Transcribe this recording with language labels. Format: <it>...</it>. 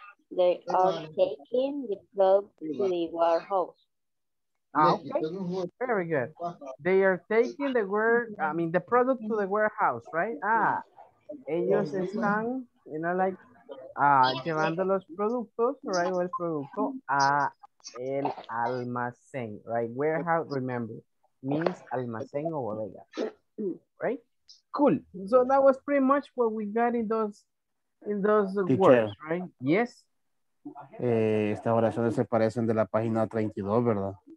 <en>They are taking the dog to the warehouse. Okay. Very good. They are taking the product to the warehouse, right?</en> <es>Ellos están, llevando los productos,</es> <en>right,</en> <es>o el producto, a el almacén, right?</es> <en>Warehouse, remember, means</en> <es>almacén o bodega,</es> <en>right? Cool. So that was pretty much what we got in those words, right? Yes?</en> <es>Estas oraciones se parecen de la página 32, ¿verdad?</es>